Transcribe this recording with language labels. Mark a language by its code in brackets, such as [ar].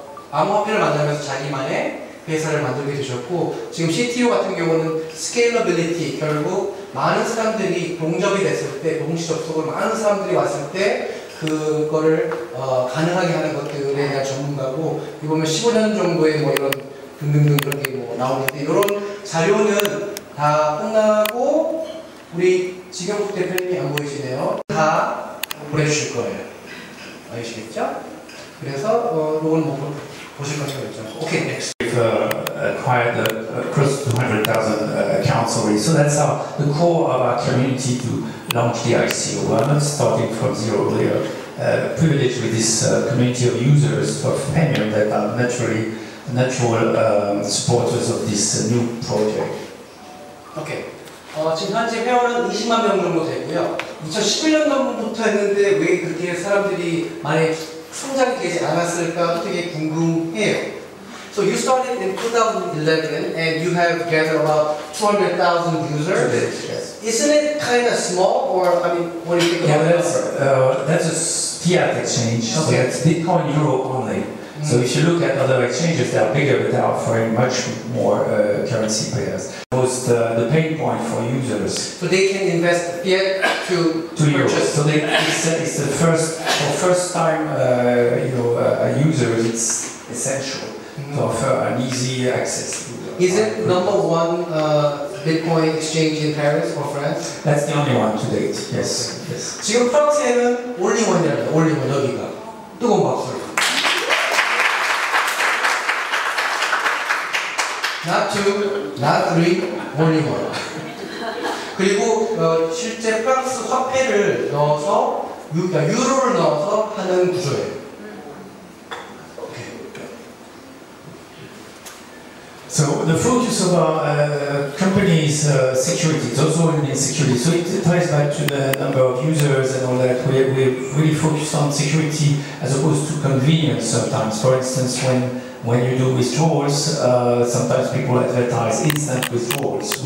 [ko] 암호화폐를 만들면서 자기만의 회사를 만들게 되셨고, 지금 CTO 같은 경우는 스케일러빌리티, 결국 많은 사람들이 동접이 됐을 때, 동시접속으로 많은 사람들이 왔을 때 그거를 가능하게 하는 것들에 대한 전문가고, 이거 보면 15년 정도의 뭐 이런 등등등 그런 게 뭐 나오는데, 이런 자료는 다 끝나고 우리 지경국 대표님이 안 보이시네요. 다 보내주실 거예요. 아시겠죠? 그래서 이건 뭐 보실 것 같죠? 오케이, next. [en] We've acquired close to 200,000 accounts already. So that's our, the core of our community to launch the ICO. We're not starting from zero. We are privileged with this community of users of Premium that are natural supporters of this new project. Okay. [ko] 지금 현재 회원은 20만 명 정도 되고요. 2011년도부터 했는데 왜 그렇게 사람들이 많이 성장이 되지 않았을까 되게 궁금해요. [en] So you started in 2011 and you have gathered about 200,000 users. Yes. Isn't it kind of small, or I mean, what do you think yeah, about that? That's a fiat exchange. Okay. So it's Bitcoin Europe only. So if you look at other exchanges, they are bigger, but they are offering much more currency pairs. Most the pain point for users. So they can invest fiat to euros. So it's the first time a user. It's essential to offer an easy access. Is it number one Bitcoin exchange in Paris or France? That's the only one to date. Yes. Okay. Yes. [ko] 지금 프랑스에는 [en] only one [ko] 이라고 only one 여기가 뜨거운 박수. [en] Not two, not three, only one. [ko] 그리고 실제 프랑스 화폐를 넣어서 유로를 넣어서 하는 구조예요. [en] So the focus of our company is security. It's also in security. So it ties back to the number of users and all that. We really focus on security as opposed to convenience sometimes. For instance, when you do withdrawals, sometimes people advertise instant withdrawals.